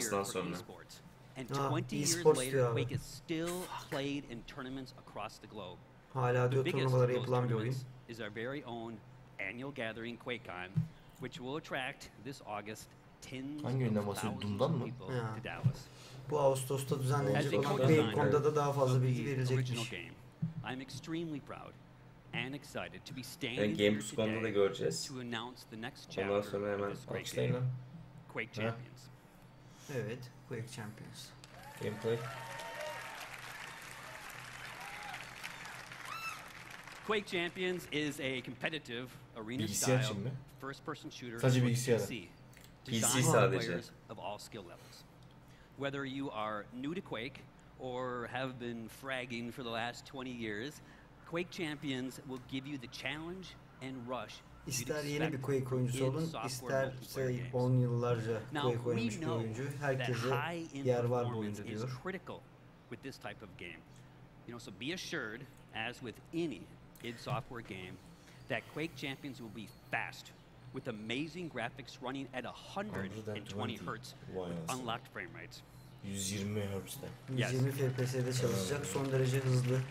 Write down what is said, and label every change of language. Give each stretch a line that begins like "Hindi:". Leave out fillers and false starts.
English: esports. And 20 years later, Quake is still played in tournaments across the globe.
Turkish: Hala diyor,
English: the biggest of those tournaments is our very own annual gathering, QuakeCon, which will attract this August tens of thousands of people to Dallas.
Turkish: Bu Ağustos'ta düzenlenecek QuakeCon'da da daha fazla bilgi verilecekmiş.
English: I'm extremely proud and excited to be standing here today to announce the next chapter of this great game, Quake Champions.
Turkish: Evet, Quake Champions.
English: Gameplay. Quake Champions is a competitive arena-style first-person shooter on PC.
Turkish: PC sadece.
English: Of all skill levels. Whether you are new to Quake or have been fragging for the last 20 years, Quake Champions will give you the challenge and rush.
Turkish: İster yeni bir Quake oyuncusu olun, isterse 10 yıllarca Quake oynamış bir oyuncu, herkese yer var bu oyunda diyor.
English: Critical with this type of game. You know, so be assured, as with any id Software game, that Quake Champions will be fast, with amazing graphics running at 120 Hz with unlocked frame rates.
Turkish: 120 Hz'de. 120 FPS'de çalışacak, son derece hızlı.